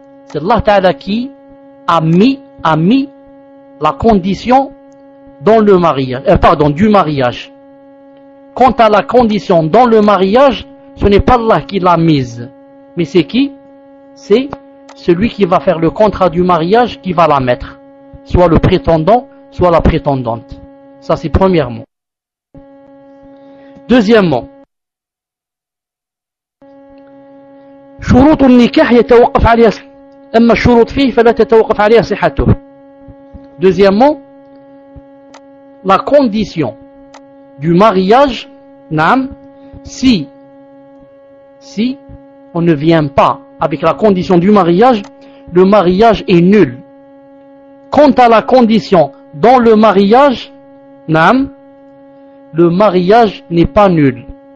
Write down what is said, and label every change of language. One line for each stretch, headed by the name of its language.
French: C'est Allah Ta'ala qui a mis la condition dans le mariage, du mariage. Quant à la condition dans le mariage, ce n'est pas Allah qui l'a mise. Mais c'est qui? C'est celui qui va faire le contrat du mariage qui va la mettre. Soit le prétendant, soit la prétendante. Ça c'est premièrement.
Arabic: Deuxièmement, شروط النكاح يتوقف عليها. أما الشروط فيه فلا تتوقف عليها صحته.
French: Deuxièmement, la condition du mariage, نعم, si on ne vient pas avec la condition du mariage, le mariage est nul. Quant à la condition dans le mariage, نعم, le mariage n'est pas nul.